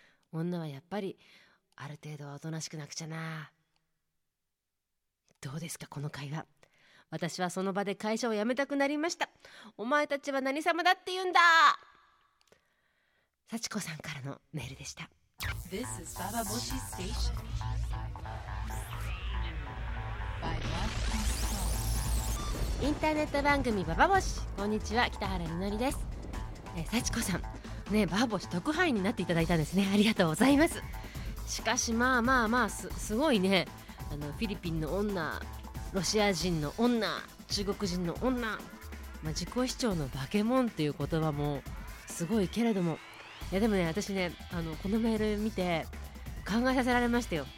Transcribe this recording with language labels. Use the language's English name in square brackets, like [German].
[Japanese] 女はやっぱりある程度はおとなしくなくちゃな。どうですかこの会話。私はその場で会社を辞めたくなりました。お前たちは何様だって言うんだ。幸子さんからのメールでした。 [English] This is Baba Boshi Station by Love Peace。 [Japanese] インターネット番組ババボシ、こんにちは、北原みのりです。幸子さん、ね、バボシ特派員になっていただいたんですね。ありがとうございます。しかしまあまあまあ すごいね、あのフィリピンの女、ロシア人の女、中国人の女、まあ、自己主張の化け物という言葉もすごいけれども、いやでもね、私ね、あのこのメール見て考えさせられましたよ。